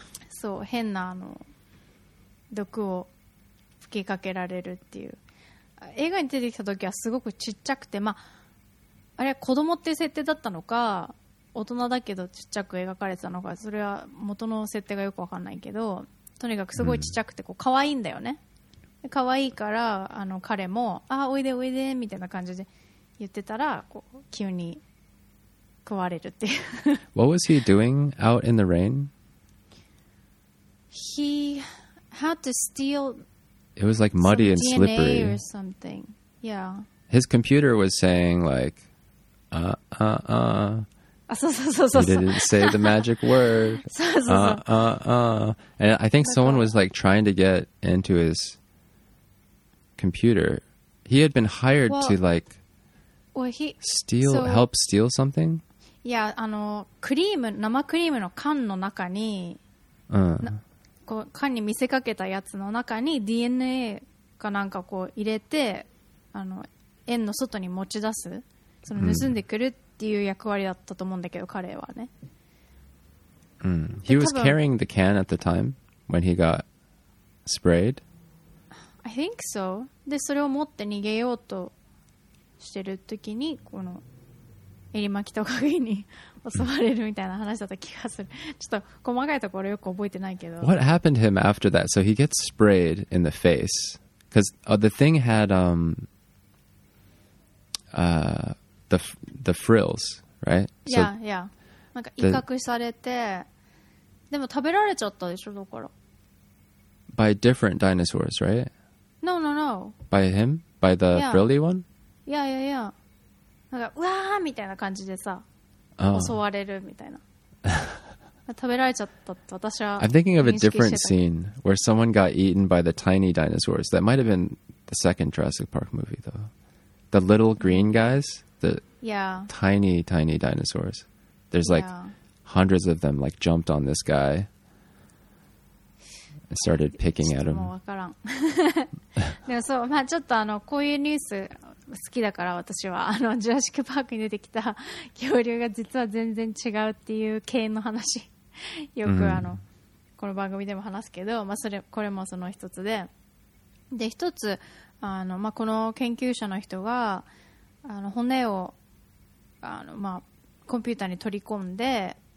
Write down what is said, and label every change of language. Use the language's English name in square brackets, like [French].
[Japanese] そう、変なあの毒を吹きかけられるっていう、映画に出てきた時はすごくちっちゃくて、まあ、あれは子供っていう設定だったのか大人だけどちっちゃく描かれてたのか、それは元の設定がよく分かんないけど、とにかくすごいちっちゃくてこう可愛いんだよね、可愛いからあの彼もあおいでおいでみたいな感じで言ってたら、こう急に食われるっていう。 [English] What was he doing out in the rain? He had to steal. It was like muddy and slippery. DNA or something. Yeah. His computer was saying like, He didn't say the magic word. And I think someone was like trying to get into his. computer. He had been hired to like help steal something? [Japanese] Yeah, あの、クリーム、生クリームの缶の中に、こう、缶に見せかけたやつの中に DNA かなんかこう入れて、あの、円の外に持ち出す、その盗んでくるっていう役割だったと思うんだけど、彼はね。 [English] He was carrying the can at the time when he got sprayed. I think so. [Japanese] で、それを持って逃げようとしてる時に、この襟巻きとか髭に襲われるみたいな話だった気がする。ちょっと細かいところよく覚えてないけど。 [English] What happened to him after that? So he gets sprayed in the face. Because、the thing had、the frills, right? Yeah, yeah. [Japanese] なんか威嚇されて、でも食べられちゃったでしょ、だから。 [English] By different dinosaurs, right? No, no, no. By him? By the、yeah. frilly one? Yeah, yeah, yeah. [Japanese] なんかうわーみたいな感じでさ、襲われるみたいな。食べられちゃったと私は。 [English] I'm thinking of a different scene where someone got eaten by the tiny dinosaurs. That might have been the second Jurassic Park movie, though. The little green guys, the tiny, tiny dinosaurs. There's like hundreds of them, like jumped on this guy and started picking at him. [Japanese] ちょっともう分からん。でもそう、まあちょっとあのこういうニュース。好きだから私はあのジュラシックパークに出てきた恐竜が実は全然違うっていう系の話よくあの、mm-hmm. この番組でも話すけど、まあ、それこれもその一つで、で一つあの、まあ、この研究者の人があの骨をあの、まあ、コンピューターに取り込んで